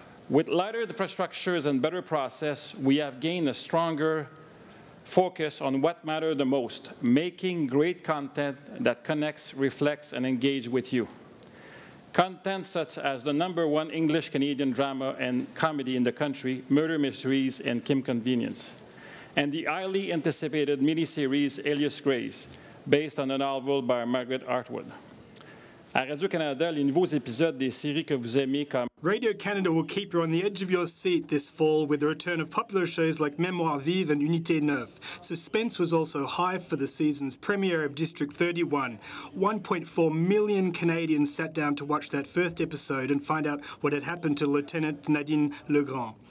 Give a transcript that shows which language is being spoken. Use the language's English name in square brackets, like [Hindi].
[English] With lighter infrastructures and better process, we have gained a stronger focus on what matters the most, making great content that connects, reflects, and engages with you. Content such as the number one English-Canadian drama and comedy in the country, Murder Mysteries and Kim Convenience, and the highly anticipated miniseries, Alias Grace, based on a novel by Margaret Atwood. [French] À Radio-Canada, les nouveaux épisodes des séries que vous aimez comme... [English] Radio-Canada will keep you on the edge of your seat this fall with the return of popular shows like Mémoire Vive and Unité 9. Suspense was also high for the season's premiere of District 31. 1.4 million Canadians sat down to watch that first episode and find out what had happened to Lieutenant Nadine Legrand.